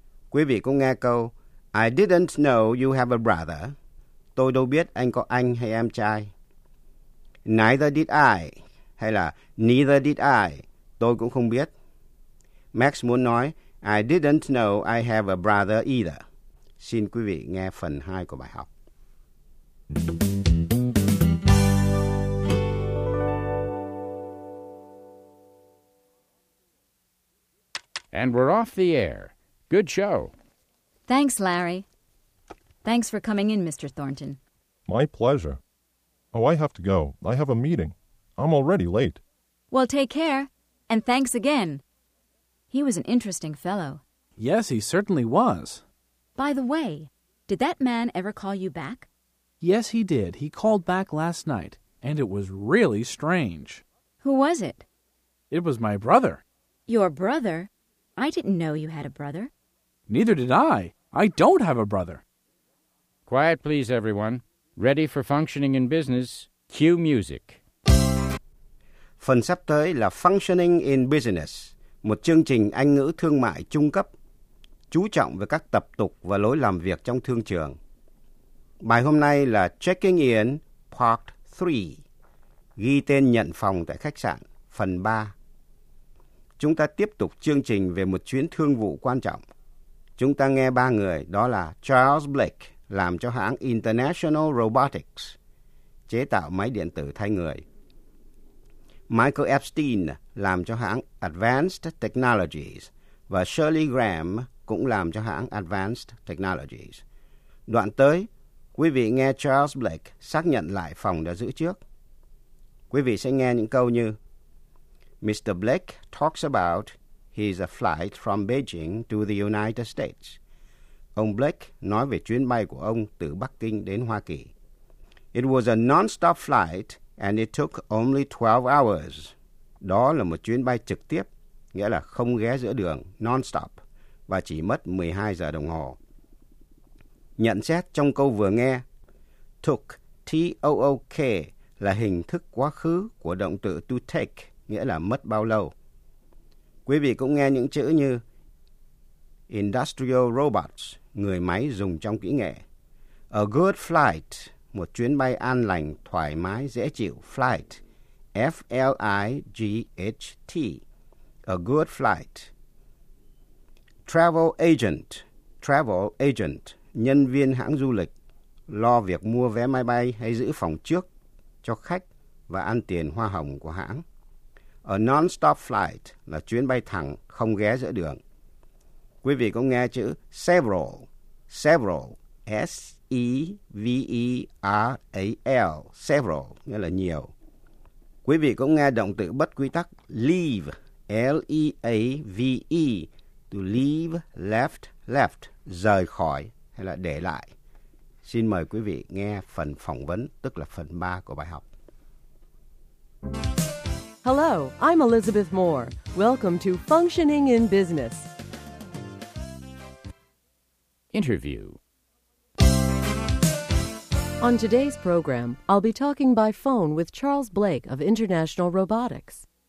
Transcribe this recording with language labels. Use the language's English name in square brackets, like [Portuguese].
[Vietnamese] Quý vị cũng nghe câu, [English] I didn't know you have a brother. [Vietnamese] Tôi đâu biết anh có anh hay em trai. [English] Neither did I, [Vietnamese] hay là [English] neither did I, [Vietnamese] tôi cũng không biết. Max muốn nói, [English] I didn't know I have a brother either. [Vietnamese] Xin quý vị nghe phần 2 của bài học. [English] And we're off the air. Good show. Thanks, Larry. Thanks for coming in, Mr. Thornton. My pleasure. Oh, I have to go. I have a meeting. I'm already late. Well, take care. And thanks again. He was an interesting fellow. Yes, he certainly was. By the way, did that man ever call you back? Yes, he did. He called back last night. And it was really strange. Who was it? It was my brother. Your brother? I didn't know you had a brother. Neither did I. I don't have a brother. Quiet, please, everyone. Ready for functioning in business. Cue music. [Vietnamese] Phần sắp tới là Functioning in Business, một chương trình Anh ngữ thương mại trung cấp, chú trọng về các tập tục và lối làm việc trong thương trường. Bài hôm nay là Checking In Part 3. ghi tên nhận phòng tại khách sạn, phần 3. Chúng ta tiếp tục chương trình về một chuyến thương vụ quan trọng. Chúng ta nghe ba người, đó là Charles Blake, làm cho hãng International Robotics, chế tạo máy điện tử thay người. Michael Epstein làm cho hãng Advanced Technologies, và Shirley Graham cũng làm cho hãng Advanced Technologies. Đoạn tới, quý vị nghe Charles Blake xác nhận lại phòng đã giữ trước. Quý vị sẽ nghe những câu như: Mr. [English] Blake talks about his flight from Beijing to the United States. [Vietnamese] Ông Blake nói về chuyến bay của ông từ Bắc Kinh đến Hoa Kỳ. [English] It was a non-stop flight and it took only 12 hours. [Vietnamese] Đó là một chuyến bay trực tiếp, nghĩa là không ghé giữa đường, non-stop, và chỉ mất 12 giờ đồng hồ. Nhận xét trong câu vừa nghe, took, T-O-O-K, là hình thức quá khứ của động từ to take, nghĩa là mất bao lâu. Quý vị cũng nghe những chữ như industrial robots, người máy dùng trong kỹ nghệ. [English] A good flight, [Vietnamese] một chuyến bay an lành, thoải mái, dễ chịu. [English] Flight, F-L-I-G-H-T, a good flight. [Vietnamese] Travel agent, nhân viên hãng du lịch, lo việc mua vé máy bay hay giữ phòng trước cho khách và ăn tiền hoa hồng của hãng. A non-stop flight là chuyến bay thẳng, không ghé giữa đường. Quý vị có nghe chữ several, S-E-V-E-R-A-L, several, nghĩa là nhiều. Quý vị cũng nghe động từ bất quy tắc leave, L-E-A-V-E, to leave, left, rời khỏi hay là để lại. Xin mời quý vị nghe phần phỏng vấn, tức là phần 3 của bài học. [English] Hello, I'm Elizabeth Moore. Welcome to Functioning in Business. Interview. On today's program, I'll be talking by phone with Charles Blake of International Robotics.